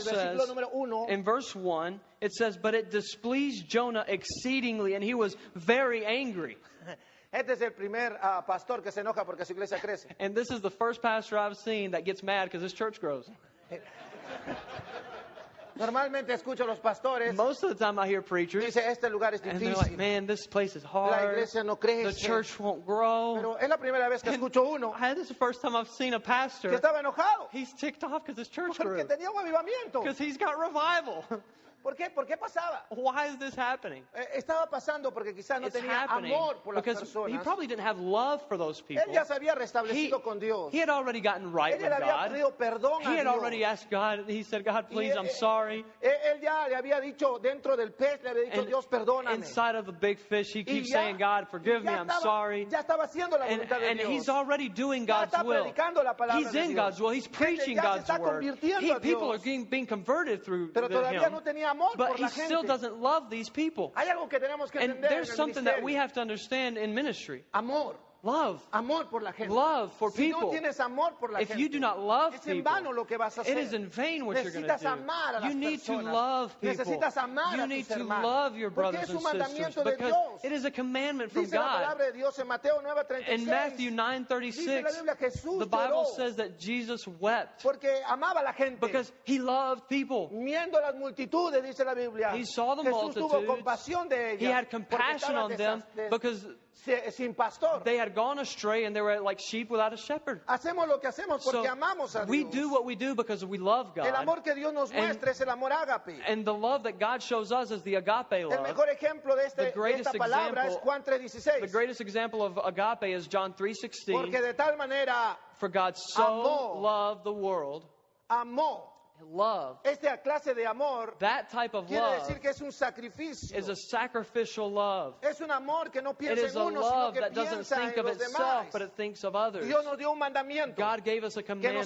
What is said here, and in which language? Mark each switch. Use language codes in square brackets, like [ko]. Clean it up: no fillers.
[en] says, in verse 1, it says, but it displeased Jonah exceedingly, and he was very angry. [es] Este es el primer pastor que se enoja porque su iglesia crece. [en] And this is the first pastor I've seen that gets mad because his church grows. [es] Normalmente escucho los pastores. [en] Most of the time I hear preachers. [es] Dice, este lugar es difícil. [en] And they're like, man, this place is hard. [es] La iglesia no crece. [en] The church won't grow. [es] Pero es la primera vez que [en] and [es] escucho uno. [en] This is the first time I've seen a pastor. [es] Que estaba enojado. [en] He's ticked off because his church [es] porque [en] grew. [es] Porque tenía un avivamiento. [en] Because he's got revival. [es] ¿Por qué? ¿Por qué pasaba? [en] Why is this happening? [es] Estaba pasando porque quizás no tenía amor por las personas. [en] Because he probably didn't have love for those people. [es] Él ya se había restablecido con Dios. [en] He had already gotten right with God. [es] Él había pedido perdón a Dios. [en] He had already asked God. He said, God, please, I'm sorry. [es] Él ya le había dicho dentro del pez, le había dicho, Dios, perdóname. [en] Inside of a big fish, he keeps saying, God, forgive me, I'm sorry. [es] Ya estaba haciendo la voluntad de Dios. [en] And he's already doing God's will. [es] Ya está predicando la palabra de Dios. [en] He's in God's will. He's preaching God's word. [es] Ya se está convirtiendo a Dios. [en] People are being converted through him. [es] Pero todavía no tenía. [en] But he still doesn't love these people. [es] Hay algo que tenemos que [en] and [es] entender [en] there's [es] en [en] something [es] ministerio. [en] That we have to understand in ministry. [es] Amor. [en] Love. [es] Amor por la gente. [en] Love for people. [es] Si no tienes amor por la [en] if [es] gente, [en] you do not love [es] es [en] people, [es] en vano lo que vas a hacer. [en] It is in vain what [es] necesitas [en] you're going to do. [es] Amar a [en] you [es] las [en] need [es] personas. [en] To love people. [es] Necesitas amar [en] you [es] a [en] need [es] tus [en] to [es] hermanos. [en] Love your brothers [es] porque [en] and sisters. [es] Es un mandamiento [en] because [es] de Dios. [en] It is a commandment [es] dice [en] from God. [es] La palabra de Dios en Mateo 9:36, [en] in Matthew 9:36, [es] dice la Biblia, Jesús [en] the Bible [es] lloró [en] says that Jesus wept [es] porque amaba a la gente. [en] Because he loved people. [es] Viendo las multitudes, dice la Biblia. [en] He saw the [es] Jesús [en] multitudes. [es] Tuvo compasión de ellas [en] he had compassion on them because [es] sin pastor. [en] They had gone astray and they were like sheep without a shepherd. [es] Hacemos lo que hacemos porque [en] so [es] amamos a Dios. [en] We do what we do because we love God. [es] El amor que Dios nos muestra es el amor agape. [en] And the love that God shows us is the agape love. [es] El mejor ejemplo de este, [en] the greatest [es] esta palabra [en] example, [es] es Juan 3:16. [en] The greatest example of agape is John 3:16. [es] Porque de tal manera [en] for God so [es] amó, [en] loved the world. [es] Amó. [en] Love. [es] Esta clase de amor, [en] that type of [es] quiere [en] love [es] decir que es un sacrificio. [en] Is a sacrificial love. [es] Es un amor que no piensa [en] it is [es] en uno, [en] a love [es] sino que [en] that doesn't think of itself, but it thinks of others. [es] Dios nos dio un mandamiento, [en] God gave us a commandment